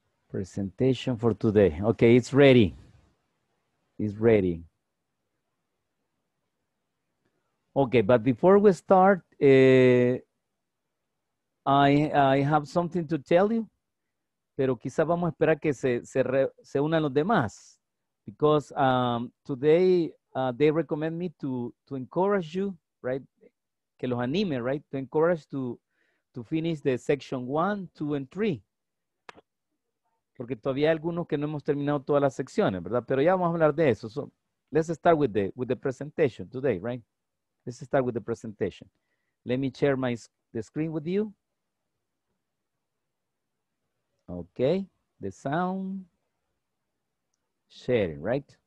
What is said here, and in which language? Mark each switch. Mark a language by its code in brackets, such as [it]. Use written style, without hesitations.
[en] Presentation for today. Okay, it's ready. It's ready. Okay, but before we start, I have something to tell you. [es] Pero quizás vamos a esperar que se unan los demás. [en] Because today they recommend me to encourage you, right? [es] Que los anime, [en] right? To encourage to finish the section 1, 2, and 3. [es] Porque todavía hay algunos que no hemos terminado todas las secciones, ¿verdad? Pero ya vamos a hablar de eso. [en] So let's start with the presentation today, right? Let's start with the presentation. Let me share my the screen with you. Okay, the sound. Sharing, right?